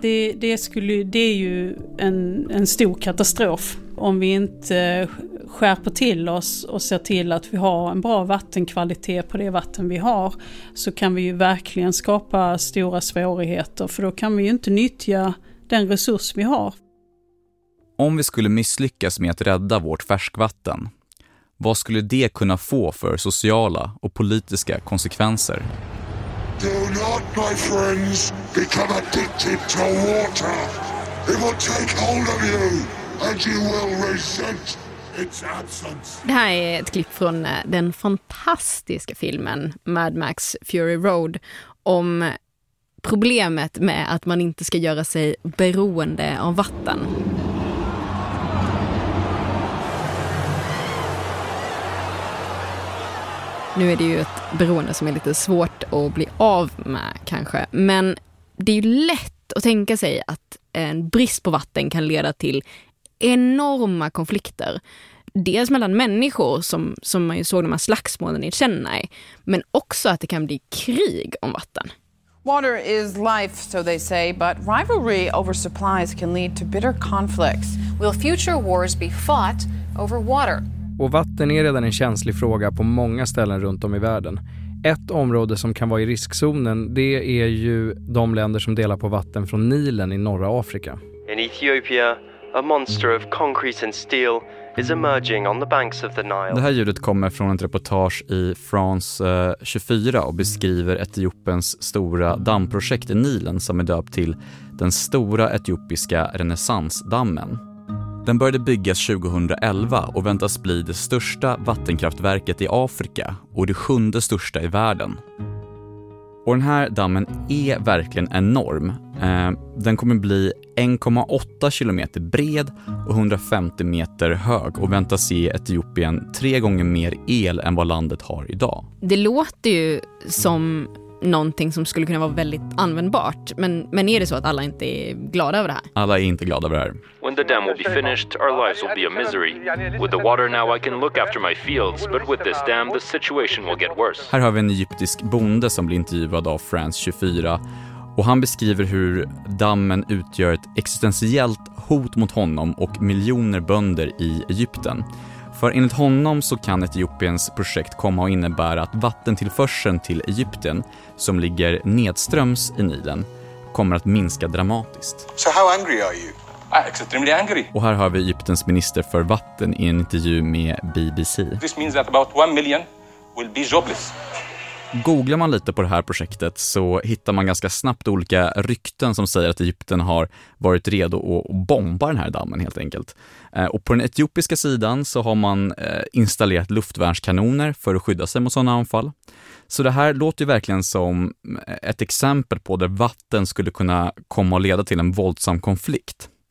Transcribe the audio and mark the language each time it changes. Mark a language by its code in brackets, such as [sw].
[sv] Det är ju en stor katastrof om vi inte skärper till oss och ser till att vi har en bra vattenkvalitet på det vatten vi har, så kan vi ju verkligen skapa stora svårigheter, för då kan vi ju inte nyttja den resurs vi har. Om vi skulle misslyckas med att rädda vårt färskvatten, vad skulle det kunna få för sociala och politiska konsekvenser? [en] Do not, my friends, become addicted to water. It will take hold of you and you will resent its absence. [sv] Det här är ett klipp från den fantastiska filmen Mad Max Fury Road om problemet med att man inte ska göra sig beroende av vatten. Nu är det ju ett beroende som är lite svårt att bli av med kanske. Men det är ju lätt att tänka sig att en brist på vatten kan leda till enorma konflikter. Dels mellan människor som man ju såg de här slagsmålen i Chennai, men också att det kan bli krig om vatten. [en] Water is life, so they say, but rivalry over supplies can lead to bitter conflicts. Will future wars be fought over water? [sv] Och vatten är redan en känslig fråga på många ställen runt om i världen. Ett område som kan vara i riskzonen, det är ju de länder som delar på vatten från Nilen i norra Afrika. [en] In Ethiopia, a monster of concrete and steel is emerging on the banks of the Nile. [sv] Det här ljudet kommer från ett reportage i France 24 och beskriver Etiopiens stora dammprojekt i Nilen, som är döpt till den stora etiopiska renässansdammen. Den började byggas 2011 och väntas bli det största vattenkraftverket i Afrika och det sjunde största i världen. Och den här dammen är verkligen enorm. Den kommer bli 1,8 kilometer bred och 150 meter hög och väntas ge Etiopien 3 gånger mer el än vad landet har idag. Det låter ju som någonting som skulle kunna vara väldigt användbart, men är det så att alla inte är glada över det här? Alla är inte glada över det här. [en] When the dam will be finished, our lives will be a misery. With the water now I can look after my fields, but with this dam the situation will get worse. [sv] Här har vi en egyptisk bonde som blir intervjuad av France 24. Och han beskriver hur dammen utgör ett existentiellt hot mot honom och miljoner bönder i Egypten. För enligt honom så kan Etiopiens projekt komma att innebära att vattentillförseln till Egypten, som ligger nedströms i Nilen, kommer att minska dramatiskt. [en] So how angry are you? I'm extremely angry. [sv] Och här har vi Egyptens minister för vatten i en intervju med BBC. [en] This means that about 1 million will be jobless. [sv] Googlar man lite på det här projektet så hittar man ganska snabbt olika rykten som säger att Egypten har varit redo att bomba den här dammen helt enkelt. Och på den etiopiska sidan så har man installerat luftvärnskanoner för att skydda sig mot sådana anfall. Så det här låter ju verkligen som ett exempel på där vatten skulle kunna komma och leda till en våldsam konflikt.